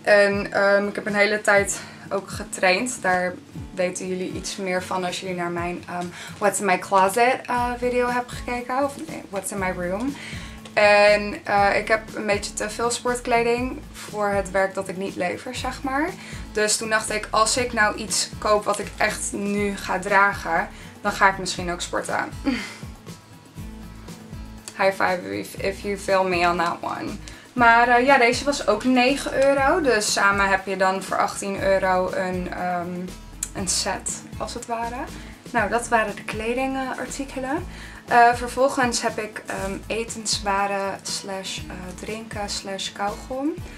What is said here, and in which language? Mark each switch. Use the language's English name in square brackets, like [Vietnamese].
[Dutch] En ik heb een hele tijd ook getraind. Daar weten jullie iets meer van als jullie naar mijn What's in My Closet video hebben gekeken. Of What's in My Room. En ik heb een beetje te veel sportkleding voor het werk dat ik niet lever, zeg maar. Dus toen dacht ik, als ik nou iets koop wat ik echt nu ga dragen, dan ga ik misschien ook sporten. [English] High five if you feel me on that one. [Dutch] Maar ja, deze was ook 9 euro. Dus samen heb je dan voor 18 euro een set, als het ware. Nou, dat waren de kledingartikelen. Vervolgens heb ik etenswaren / drinken / kauwgom.